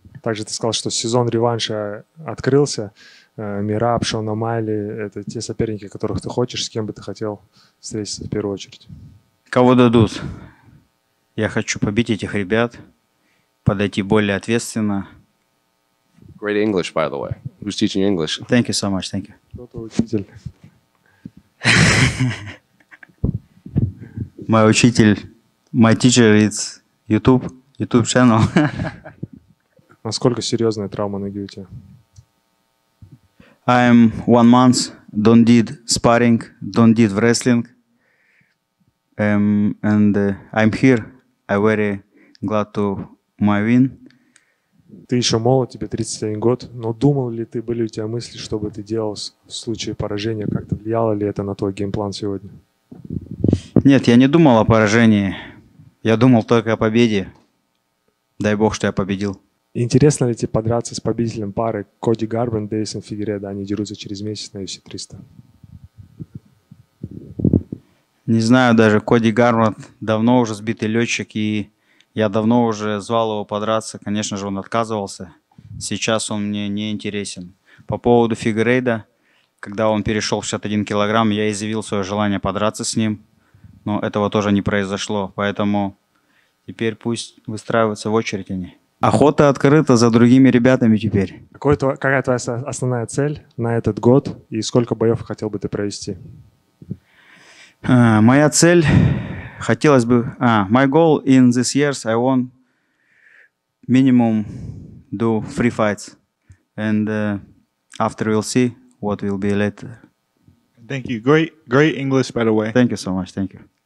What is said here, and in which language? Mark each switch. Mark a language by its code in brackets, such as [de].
[ru] Также ты сказал, что сезон реванша открылся. Мираб, Шон О'Майли – это те соперники, которых ты хочешь, с кем бы ты хотел встретиться в первую очередь? Кого дадут? Я хочу побить этих ребят, подойти более ответственно. [en] Great English, by the way. Who's teaching English? Thank you so much, thank you. [ru] Кто-то учитель. Мой учитель, [en] my teacher is YouTube channel. [ru] Насколько серьезная травма на ноге у тебя? [en] I'm 1 month, don't did sparring, don't did wrestling, I'm here, I'm very glad to my win. [ru] Ты еще молод, тебе 31 год, но думал ли ты, были у тебя мысли, что бы ты делал в случае поражения, как-то влияло ли это на твой геймплан сегодня? Нет, я не думал о поражении, я думал только о победе. Дай бог, что я победил. Интересно ли тебе подраться с победителем пары Коди Гарбен, Дэйсон Фигереда? Они дерутся через месяц на UFC 300. Не знаю, даже Коди Гарбен давно уже сбитый летчик, и я давно уже звал его подраться. Конечно же, он отказывался. Сейчас он мне не интересен. По поводу Фигереда, когда он перешел в 61 килограмм, я изъявил свое желание подраться с ним, но этого тоже не произошло. Поэтому теперь пусть выстраиваются в очередь они. Охота открыта за другими ребятами теперь. Какая твоя основная цель на этот год и сколько боев хотел бы ты провести? Моя цель хотелось бы... [en] My goal in this year, I want minimum do 3 fights. And after we'll see what will be later. Thank you. Great English, by the way. Thank you so much. Thank you.